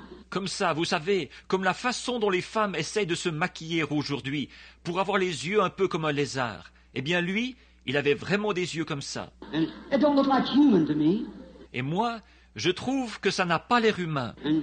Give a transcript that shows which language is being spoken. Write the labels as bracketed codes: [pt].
[fr] Comme ça, vous savez, comme la façon dont les femmes essayent de se maquiller aujourd'hui pour avoir les yeux un peu comme un lézard. Eh bien, lui, il avait vraiment des yeux comme ça. [en] It don't look like human to me. [fr] Et moi, je trouve que ça n'a pas l'air humain.